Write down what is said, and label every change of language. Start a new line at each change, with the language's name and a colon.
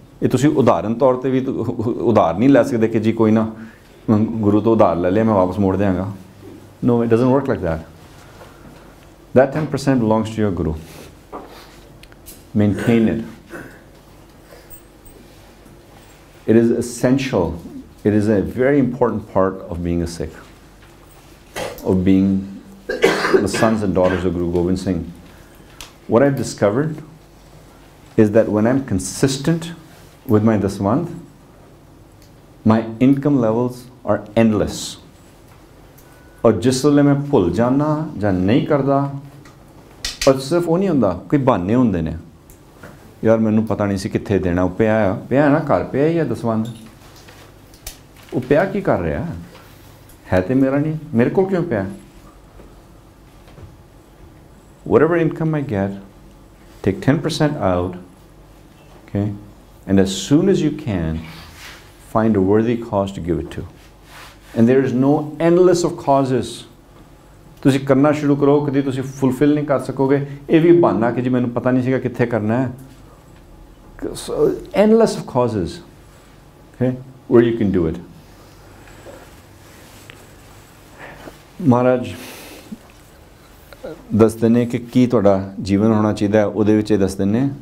Punjabi: ਇਹ ਤੁਸੀਂ ਉਦਾਹਰਨ ਤੌਰ 'ਤੇ ਵੀ ਉਧਾਰ ਨਹੀਂ ਲੈ ਸਕਦੇ ਕਿ ਜੀ ਕੋਈ ਨਾ ਗੁਰੂ ਤੋਂ ਉਧਾਰ ਲੈ ਲਿਆ ਮੈਂ ਵਾਪਸ ਮੋੜ ਦਿਆਂਗਾ
English: No it doesn't work like that that 10% belongs to your Guru maintain it it is essential it is a very important part of being a Sikh of being the sons and daughters of Guru Gobind Singh, what I've discovered is that when I'm consistent with my dasavandh, my income levels are endless.
Punjabi: Aur jis vele main bhul jana ja nahi karda, aur sirf oh nahi hunda, koi bahane hunde ne. ਯਾਰ ਮੈਨੂੰ ਪਤਾ ਨਹੀਂ ਸੀ ਕਿੱਥੇ ਦੇਣਾ, ਉਹ ਪਿਆ ਆ, ਪਿਆ ਨਾ ਘਰ ਪਿਆ ਹੀ ਆ ਦਸਵੰਧ, ਉਹ ਪਿਆ ਕੀ ਕਰ ਰਿਹਾ, ਹੈ ਤਾਂ ਮੇਰਾ ਨਹੀਂ, ਮੇਰੇ ਕੋਲ ਕਿਉਂ ਪਿਆ?
English: Whatever income I get, take 10% out, okay, and as soon as you can find a worthy cause to give it to, and there is no endless of causes.
Punjabi: ਤੁਸੀਂ ਕਰਨਾ ਸ਼ੁਰੂ ਕਰੋ, ਕਦੀ ਤੁਸੀਂ ਫੁਲਫਿਲ ਨਹੀਂ ਕਰ ਸਕੋਗੇ. ਇਹ ਵੀ ਬਹਾਨਾ ਕਿ ਜੀ ਮੈਨੂੰ ਪਤਾ ਨਹੀਂ ਸੀਗਾ ਕਿੱਥੇ ਕਰਨਾ ਹੈ.
English: So, endless of causes, okay, where you can do it.
Punjabi: Maharaj, ਦੱਸ ਦਿੰਦੇ ਕਿ ਕੀ ਤੁਹਾਡਾ ਜੀਵਨ ਹੋਣਾ ਚਾਹੀਦਾ ਹੈ, ਉਹਦੇ ਵਿੱਚ ਇਹ ਦੱਸ ਦਿੰਦੇ.